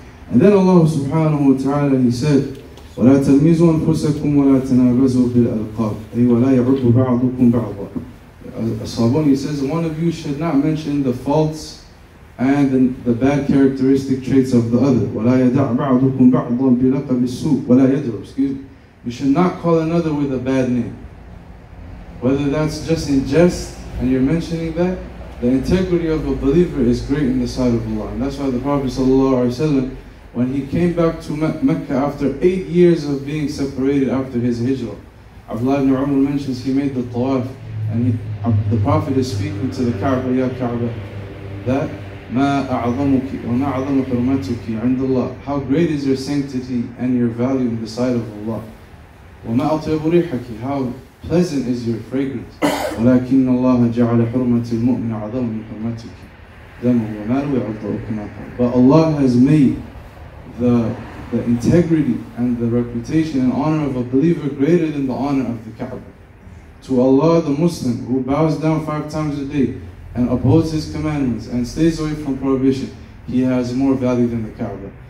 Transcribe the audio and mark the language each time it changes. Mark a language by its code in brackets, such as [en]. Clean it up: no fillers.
[en] And then Allah subhanahu wa ta'ala, He said, [ar] وَلَا تَلْمِزُوا أَنْفُسَكُمْ وَلَا تَنَابَزُوا بِالْأَلْقَابِ أي وَلَا يَعُبُّ بَعْضُكُمْ بَعْضًا [en] As-Sabuni, He says, one of you should not mention the faults and the bad characteristic traits of the other. [ar] وَلَا يَدَعْ بَعْضُكُمْ بَعْضًا بِلَقَبِ السُّوءِ وَلَا يَدْعُ [en] Excuse me. You should not call another with a bad name. Whether that's just in jest and you're mentioning that, the integrity of a believer is great in the sight of Allah. And that's why the Prophet sallallahu alaihi wasallam, when he came back to Mecca after 8 years of being separated after his hijrah, Abdullah ibn Umar mentions he made the tawaf and the Prophet is speaking to the Kaaba, Ya Kaaba, that [ar] مَا أَعْظَمُكِ وَمَا أَعْظَمُ حُرْمَتُكِ عِنْدَ اللَّهِ [en] How great is your sanctity and your value in the sight of Allah. [ar] وَمَا أَطْيَبُ رِيحَكِ [en] How pleasant is your fragrance. [ar] وَلَكِنَّ اللَّهَ جَعَلَ حُرْمَةِ الْمُؤْمِنِ أَعْظَمُ مِنْ حُرْمَتُكِ [en] But Allah has made the integrity and the reputation and honor of a believer greater than the honor of the Kaaba. To Allah, the Muslim, who bows down 5 times a day and upholds His commandments and stays away from prohibition, he has more value than the Kaaba.